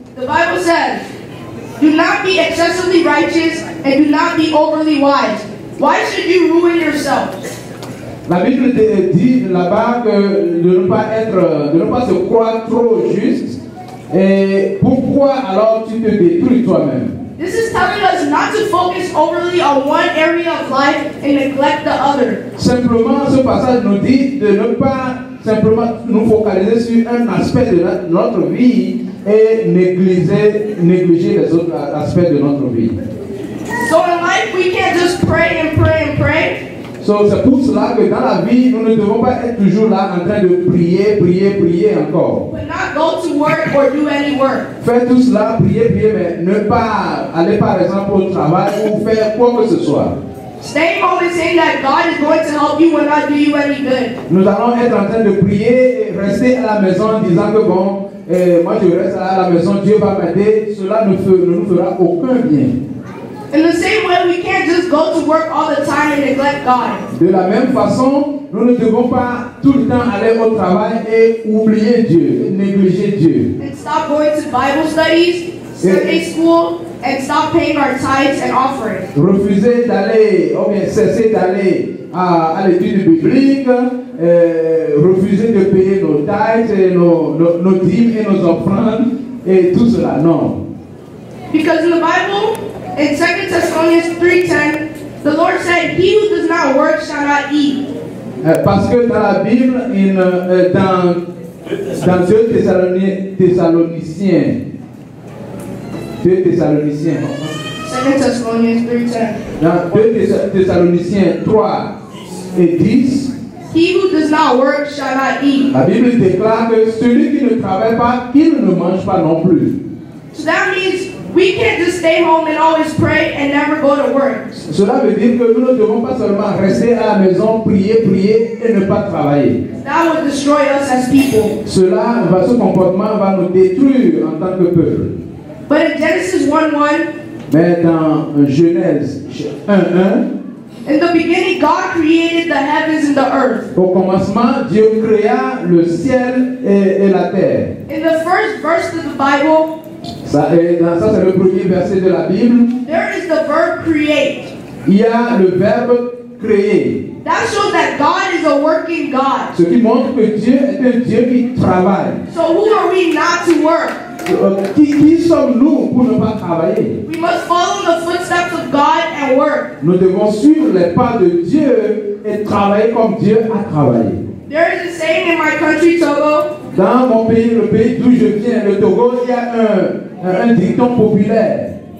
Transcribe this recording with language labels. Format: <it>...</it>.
<en>The Bible says, do not be excessively righteous and do not be overly wise. Why should you ruin yourself?</en> <fr>La Bible dit là-bas que de ne pas se croire trop juste. Et pourquoi alors tu te détruis toi-même?</fr> <en>This is telling us not to focus overly on one area of life and neglect the other.</en> <fr>Simplement, ce passage nous dit de ne pas simplement nous focaliser sur un aspect de notre vie et négliger les autres aspects de notre vie.</fr> <en>So in life, we can't just pray and pray and pray.</en> <fr>So c'est pour cela que dans la vie, nous ne devons pas être toujours là en train de prier encore.</fr> <en>But not go to work or do any work.</en> <fr>Faire tout cela, prier, mais ne pas aller par exemple au travail ou faire quoi que ce soit.</fr> <en>Stay home and say that God is going to help you and not do you any good.</en> <fr>Nous allons être en train de prier et rester à la maison en disant que bon, moi je reste à la maison, Dieu va m'aider, cela ne nous fera aucun bien.</fr> <en>In the same way, we can't just go to work all the time and neglect God.</en> <fr>De la même façon, nous ne devons pas tout le temps aller au travail et oublier Dieu, et négliger Dieu.</fr> <en>And stop going to Bible studies, Sunday school, and stop paying our tithes and offerings.</en> <fr>Refuser d'aller, ou bien cesser d'aller à l'étude biblique, refuser de payer nos tithes et nos dîmes et nos offrandes et tout cela, non.</fr> <en>Because in the Bible, in 2 Thessalonians 3:10, the Lord said, "He who does not work shall not eat."</en> <fr>Parce que dans la Bible, dans 2 Thessaloniciens 3:10</fr> <en>"He who does not work shall not eat."</en> <fr>La Bible déclare que celui qui ne travaille pas, il ne mange pas non plus.</fr> <en>So that means we can't just stay home and always pray and never go to work.</en> <fr>Cela veut dire que nous ne devons pas seulement rester à la maison, prier et ne pas travailler.</fr> <en>That would destroy us as people.</en> <fr>Ce comportement va nous détruire en tant que peuple.</fr> <en>But in Genesis 1:1,</en> <fr>mais dans Genèse 1:1,</fr> <en>in the beginning God created the heavens and the earth.</en> <fr>Au commencement, Dieu créa le ciel et la terre.</fr> <en>In the first verse of the Bible,</en> <fr>ça c'est le premier verset de la Bible.</fr> <en>There is the verb create.</en> <fr>Il y a le verbe créer.</fr> <en>That shows that God is a working God.</en> <fr>Ce qui montre que Dieu est un Dieu qui travaille.</fr> <en>So who are we not to work?</en> <fr>Qui sommes-nous pour ne pas travailler?</fr> <en>We must follow the footsteps of God and work.</en> <fr>Nous devons suivre les pas de Dieu et travailler comme Dieu a travaillé.</fr> <en>There is a saying in my country, Togo.</en> <fr>Dans mon pays, le pays d'où je viens, le Togo, il y a un dicton populaire.</fr>